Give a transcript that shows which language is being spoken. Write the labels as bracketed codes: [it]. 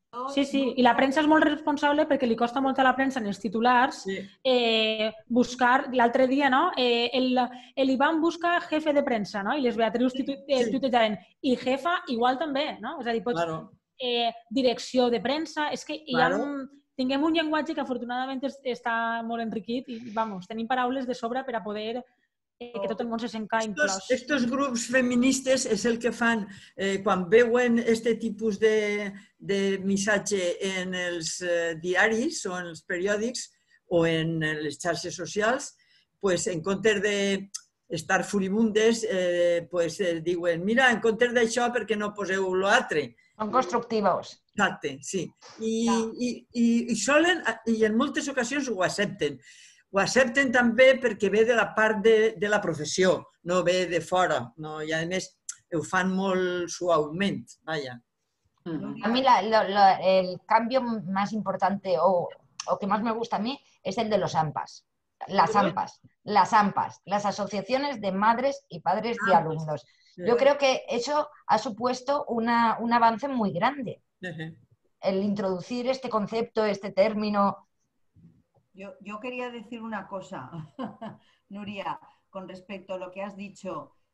[ca] Sí, sí, i la premsa és molt responsable perquè li costa molt a la premsa en els titulars buscar, l'altre dia, no? El Ivan busca jefe de premsa, no? I les Beatrius tuitejaven, i jefa igual també, no? És a dir, pots claro. Direcció de premsa, és que hi ha claro. Tinguem un llenguatge que afortunadament està molt enriquit i, vamos, tenim paraules de sobre per a poder... que tot el món se senca inclòs. Estos grups feministes és el que fan quan veuen este tipus de missatge en els diaris o en els periòdics o en les xarxes socials, pues, en comptes d'estar furibundes, pues, diuen, mira, en comptes d'això, per què no poseu l'altre? Són constructivos. Exacte, sí. I en moltes ocasions ho accepten. Ho accepten també perquè ve de la part de la professió, no ve de fora. No? I, a més, ho fan molt suaument. Vaya. A mi el canvi més important o que més [es] me gusta a mi [ca] és el de los AMPAs. [es] Las AMPAs. Las asociaciones de madres y padres de alumnos. Sí. Yo creo que eso ha supuesto un avance muy grande. Uh-huh. El introducir este concepto, este término. Yo quería decir una cosa, Nuria, con respecto a lo que has dicho.